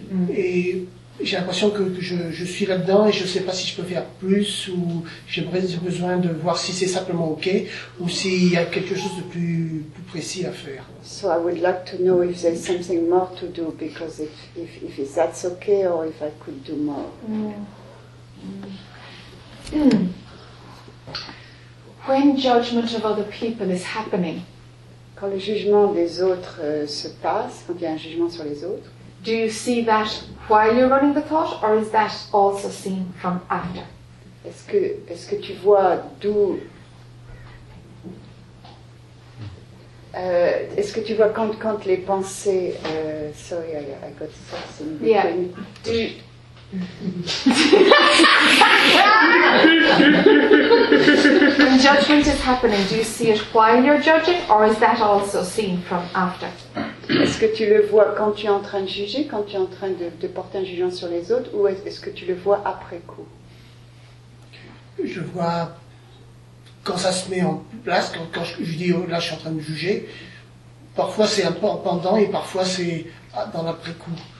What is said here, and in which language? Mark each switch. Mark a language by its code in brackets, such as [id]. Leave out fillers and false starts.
[fr] Et j'ai l'impression que je suis là-dedans et je ne sais pas si je peux faire plus ou j'ai besoin de voir si c'est simplement OK ou s'il y a quelque chose de plus précis à faire. [en] So I would like to know if there's something more to do because if that's OK or if I could do more. When judgment of other people is happening, [fr] quand le jugement des autres se passe, quand il y a un jugement sur les autres, [en] do you see that while you're running the thought, or is that also seen from after? [fr] Est-ce que tu vois d'où Est-ce que tu vois quand les pensées... [en] sorry, I got this in between. When judgment is happening, do you see it while you're judging, or is that also seen from after? [fr] Est-ce que tu le vois quand tu es en train de juger, quand tu es en train de porter un jugement sur les autres, ou est-ce que tu le vois après coup? Je vois quand ça se met en place, quand je dis oh, là je suis en train de juger, parfois c'est un peu pendant et parfois c'est dans l'après coup.